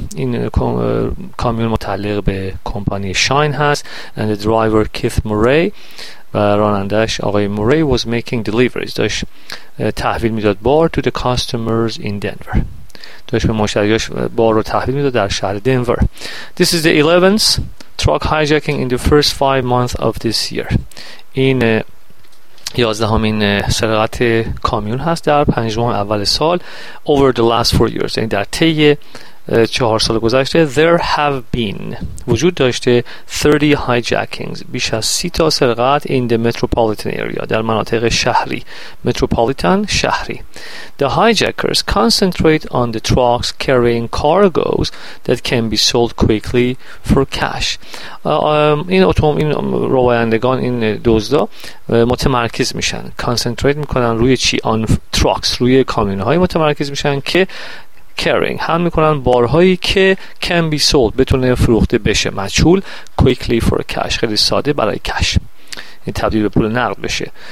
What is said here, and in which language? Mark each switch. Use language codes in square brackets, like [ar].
[fa] این کامیون متعلق به کمپانی Shine هست. [en] And the driver Keith Murray [fa] و رانندش آقای موری [en] was making deliveries. [fa] داشت تحویل میداد بار [en] to the customers in Denver. [fa] داشت به مشتریاش بار رو تحویل میداد در شهر دنور. [en] This is the 11th truck hijacking in the first 5 months of this year. [fa] این 11th سرقت کامیون هست در 5 ماه اول سال. [en] Over the last 4 years. [fa] یعنی در طی 4 سال گذشته. [en] There have been [fa] وجود داشته [en] 30 hijackings [fa] بیش از 30 تا سرقت [en] in the metropolitan area [fa] در مناطق شهری. Metropolitan شهری. [en] The hijackers concentrate on the trucks carrying cargoes that can be sold quickly for cash. [fa] این اتوم این روایندگان این دزدا متمرکز میشن. Concentrate میکنن روی چی؟ [en] On trucks [fa] روی کامیونهای متمرکز میشن که [en] carrying [fa] حمل میکنن بارهایی که [en] can be sold [fa] بتونه فروخته بشه مجهول [en] quickly for cash [fa] خیلی ساده برای cash این تبدیل به پول نقد بشه.